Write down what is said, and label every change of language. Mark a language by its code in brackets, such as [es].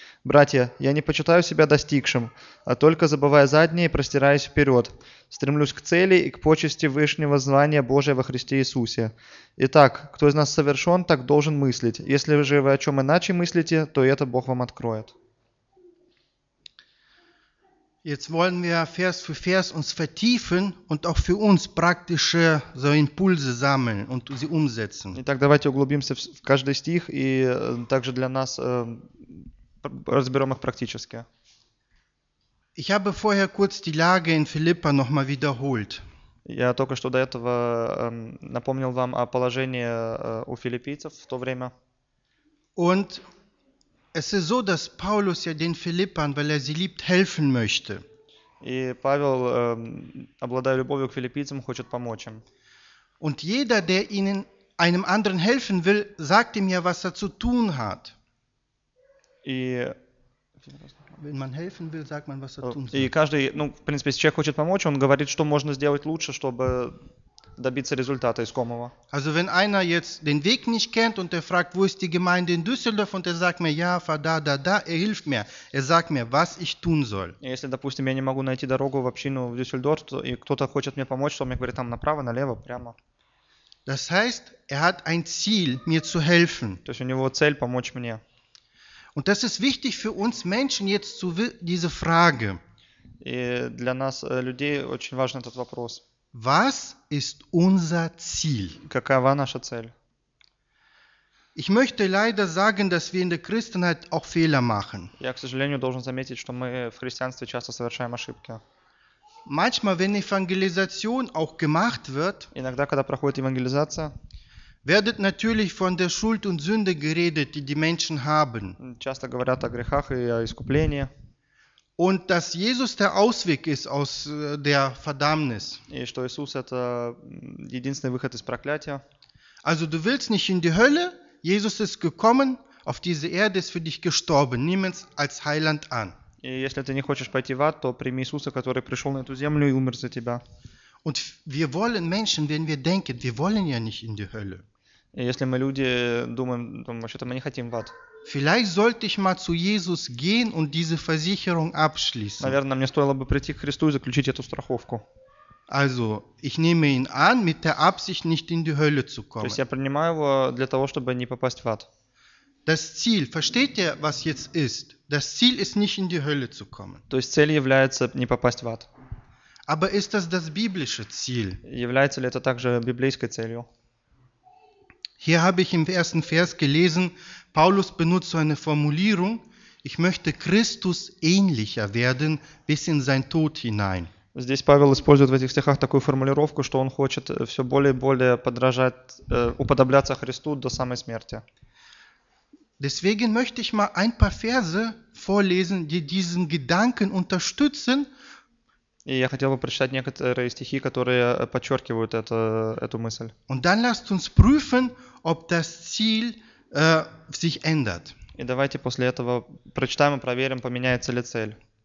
[ru] Братья, я не почитаю себя достигшим, а только забывая заднее и простираясь вперед, стремлюсь к цели и к почести вышнего звания Божия во Христе Иисусе. Итак, кто из нас совершен, так должен мыслить. Если же вы о чем иначе мыслите, то это Бог вам откроет». [de] Jetzt wollen wir Vers für Vers uns vertiefen und auch für uns praktische so Impulse sammeln und sie umsetzen. [ru] Итак, давайте углубимся в каждый стих и также для нас разберем их практически. [de] Ich habe vorher kurz die Lage in Philippa nochmal wiederholt. [ru] Я только что до этого напомнил вам о положении у филиппийцев в то время. [de] Und es ist so, dass Paulus ja den Philippern, weil er sie liebt, helfen möchte. [ru] И Павел, обладая любовью к филиппийцам, хочет помочь им. [de] Und jeder, der ihnen einem anderen helfen will, sagt ihm ja, was er zu tun hat. [ru] И [de] wenn man helfen will, sagt man, was er tun soll. [ru] И каждый, ну, в принципе, если человек хочет помочь, он говорит, что можно сделать лучше, чтобы добиться результата искомого. [de] Also wenn einer jetzt den Weg nicht kennt und er fragt, wo ist die Gemeinde in Düsseldorf und er sagt mir, ja, fahr da, da, da, er hilft mir. Er sagt mir, was ich tun soll. [ru] Если, допустим, я не могу найти дорогу в общину в Дюссельдорф, то, и кто-то хочет мне помочь, то мне говорит, там направо, налево, прямо. [de] Das heißt, er hat ein Ziel, mir zu helfen. [ru] То есть у него цель помочь мне. [de] Und das ist wichtig für uns Menschen jetzt zu diese Frage. [ru] И для нас, людей, очень важен этот вопрос. [de] Was ist unser Ziel? [ru] Какова наша цель? [de] Ich möchte leider sagen, dass wir in der Christenheit auch Fehler machen. [ru] Я, к сожалению, должен заметить, что мы в христианстве часто совершаем ошибки. [de] Manchmal, wenn Evangelisation auch gemacht wird, [ru] иногда, когда проходит евангелизация, [de] werdet natürlich von der Schuld und Sünde geredet, die die Menschen haben. [ru] Часто говорят о грехах и о искуплении. [de] Und dass Jesus der Ausweg ist aus der Verdammnis. [ru] И что Иисус – это единственный выход из проклятия. [de] Also du willst nicht in die Hölle, Jesus ist gekommen, auf diese Erde ist für dich gestorben. Nimm es als Heiland an. [ru] И если ты не хочешь пойти в ад, то прими Иисуса, который пришел на эту землю и умер за тебя. [de] Und wir wollen Menschen, wenn wir denken, wir wollen ja nicht in die Hölle. [ru] И если мы люди думаем, то вообще-то мы не хотим в ад. [de] Vielleicht sollte ich mal zu Jesus gehen und diese Versicherung abschließen. [ru] Наверное, мне стоило бы прийти к Христу и заключить эту страховку. [de] Also, ich nehme ihn an mit der Absicht, nicht in die Hölle zu kommen. [ru] То есть я принимаю его для того, чтобы не попасть в ад. [de] Das Ziel, versteht ihr, was jetzt ist? Das Ziel ist, nicht in die Hölle zu kommen. [ru] То есть цель является не попасть в ад. [de] Aber ist das das biblische Ziel? [ru] Является ли это также библейской целью? [de] Hier habe ich im ersten Vers gelesen, Paulus benutzt so eine Formulierung, ich möchte Christus ähnlicher werden bis in sein Tod hinein. [ru] Здесь Павел использует в этих стихах такую формулировку, что он хочет все более и более подражать, уподобляться Христу до самой смерти. [de] Deswegen möchte ich mal ein paar Verse vorlesen, die diesen Gedanken unterstützen. [ru] И я хотел бы прочитать некоторые стихи, которые подчеркивают эту мысль. [de] Und dann lasst uns prüfen, ob das Ziel sich ändert. [ru] И давайте после этого прочитаем и проверим, поменяется ли цель.